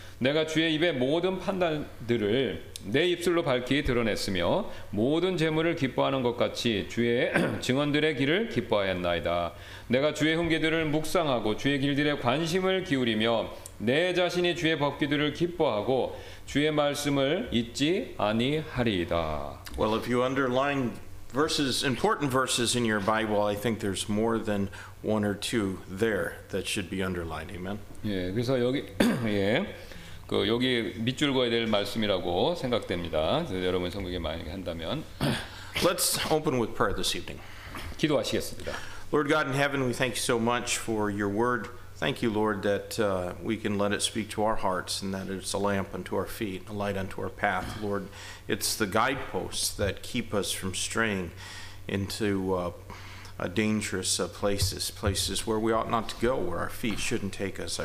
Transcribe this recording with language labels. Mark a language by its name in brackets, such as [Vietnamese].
[Korean] 내가 주의 입에 모든 판단들을 내 입술로 밝히 드러냈으며 모든 재물을 기뻐하는 것 같이 주의 증언들의 길을 기뻐하였나이다. 내가 주의 훈계들을 묵상하고 주의 길들에 관심을 기울이며 내 자신이 주의 법규들을 기뻐하고 주의 말씀을 잊지 아니하리이다. [English] Well, if you underline verses, important verses in your Bible, I think there's more than one or two there that should be underlined. Amen. [Korean] 예, 그래서 여기 예. 그 여기 밑줄 그어야 될 말씀이라고 생각됩니다. 여러분 성경에 만약에 한다면 [English] Let's open with prayer this evening. [Korean] 기도하시겠습니다. [English] Lord God in heaven, we thank you so much for your word. Thank you, Lord, that we can let it speak to our hearts and that it's a lamp unto our feet, a light unto our path. Lord, it's the guideposts that keep us from straying into dangerous places where we ought not to go, where our feet shouldn't take us.